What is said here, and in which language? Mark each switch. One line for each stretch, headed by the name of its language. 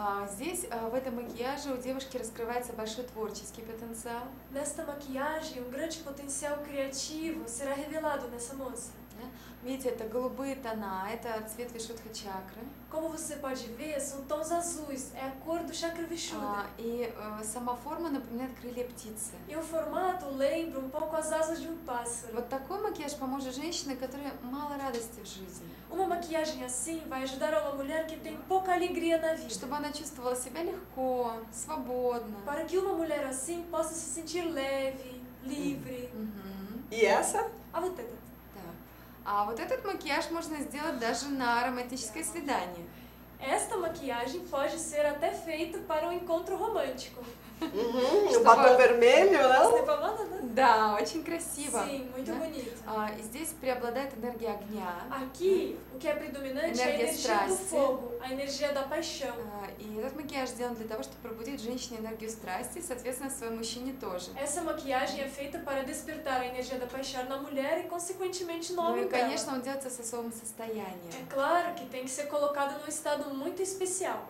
Russian: Здесь, в этом макияже, у девушки раскрывается большой творческий потенциал.
Portuguese: Nesta maquiagem, um grande potencial criativo será revelado nessa moça.
Russian: Видите, это голубые тона, это цвет Вишудха чакры.
Portuguese: Como você pode ver, são tons azuis, é a cor do chakra Vishuddha.
Russian: И сама форма напоминает крылья птицы.
Portuguese: E o formato lembra um pouco as asas de um pássaro.
Russian: Вот такой макияж поможет женщине, которой мало радости в жизни.
Portuguese: Uma maquiagem assim vai ajudar uma mulher que tem pouca alegria na vida.
Russian: Чтобы она чувствовала себя легко, свободно.
Portuguese: Para que uma mulher assim possa se sentir leve, livre. E essa?
Russian: А вот этот. А вот этот макияж можно сделать даже на романтическое свидание.
Portuguese: Esta maquiagem pode ser até feito para um encontro romântico. Batom vermelho, né?
Russian: Да, очень красиво.
Portuguese: Sim, muito bonito.
Russian: И здесь преобладает энергия огня.
Portuguese: Aqui, o que é predominante energia é a energia do fogo, a energia da paixão.
Russian: И этот макияж сделан для того, чтобы пробудить женщине энергию страсти, соответственно, в своем мужчине тоже.
Portuguese: Essa maquiagem é feita para despertar a energia da paixão na mulher e, consequentemente, no homem.
Russian: Ну и, конечно, он делается со своим состоянием.
Portuguese: É claro que tem que ser colocado num estado muito especial.